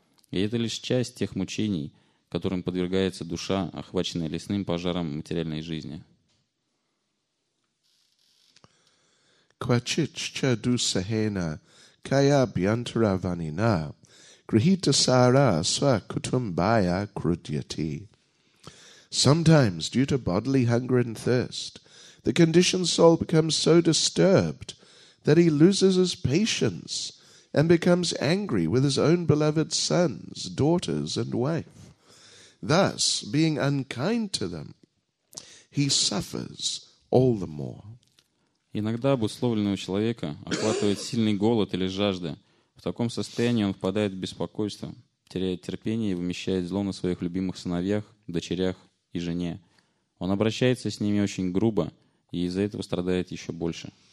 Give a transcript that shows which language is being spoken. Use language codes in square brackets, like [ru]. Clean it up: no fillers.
[ru] И это лишь часть тех мучений, которым подвергается душа, охваченная лесным пожаром материальной жизни. [sa] Квачичча дусахена кая бьянтра ванина грихита сара сва кутумбая крудьяти. [en] Sometimes, due to bodily hunger and thirst, the conditioned soul becomes so disturbed that he loses his patience and becomes angry with his own beloved sons, daughters, and wife. Thus, being unkind to them, he suffers all the more. [ru] Иногда обусловленного человека охватывает сильный голод или жажда. В таком состоянии он впадает в беспокойство, теряет терпение и вымещает зло на своих любимых сыновьях, дочерях и жене. Он обращается с ними очень грубо и из-за этого страдает еще больше.